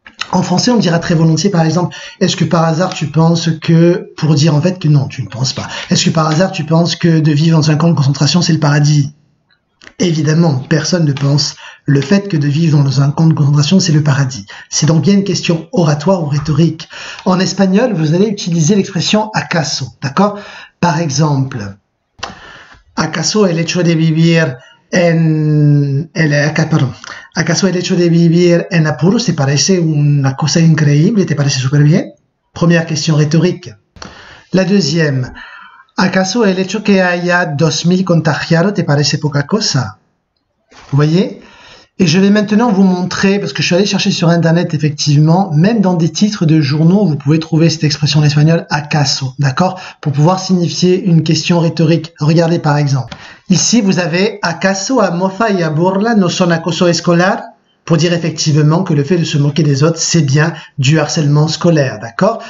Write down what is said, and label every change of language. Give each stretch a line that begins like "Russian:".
French: En français, on dira très volontiers, par exemple, est-ce que par hasard tu penses que, pour dire en fait que non, tu ne penses pas, est-ce que par hasard tu penses que de vivre dans un camp de concentration, c'est le paradis? Évidemment, personne ne pense le fait que de vivre dans un camp de concentration, c'est le paradis. C'est donc bien une question oratoire ou rhétorique. En espagnol, vous allez utiliser l'expression « acaso », d'accord? Par exemple,
Spanish: « acaso el hecho de vivir en... » ¿Acaso el hecho de vivir en apuros te parece una cosa increíble? ¿Te parece súper bien?
French: Première question rhétorique. La deuxième.
Spanish: ¿Acaso el hecho que haya 2000 contagiados te parece poca cosa?
French: Vous voyez? Et je vais maintenant vous montrer, parce que je suis allé chercher sur Internet, effectivement, même dans des titres de journaux, vous pouvez trouver cette expression en espagnol, acaso, d'accord? Pour pouvoir signifier une question rhétorique. Regardez par exemple. Ici, vous avez
Spanish: acaso a mofa y a burla no son acoso escolar,
French: pour dire effectivement que le fait de se moquer des autres, c'est bien du harcèlement scolaire, d'accord?